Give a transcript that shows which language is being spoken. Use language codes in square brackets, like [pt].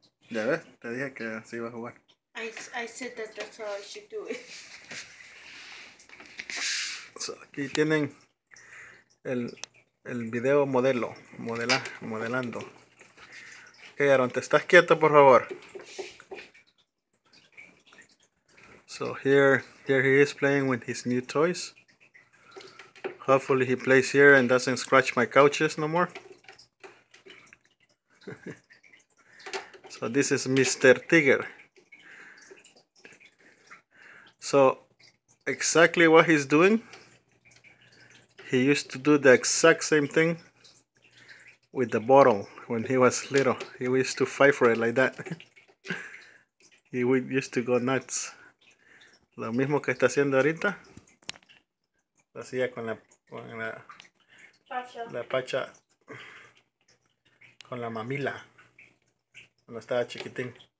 [es] Ya ves, te dije que así iba a jugar. [en] I said that that's how I should do it. [es] So aquí tienen el video modelo. Modelando. Ok, Aaron, te estás quieto, por favor. [en] So here he is playing with his new toys. Hopefully he plays here and doesn't scratch my couches no more. So this is Mr. Tigger. So exactly what he's doing, he used to do the exact same thing with the bottle when he was little. He used to fight for it like that. He used to go nuts. [es] Lo mismo que está haciendo ahorita, lo hacía con la pacha, con la mamila, cuando estaba chiquitín.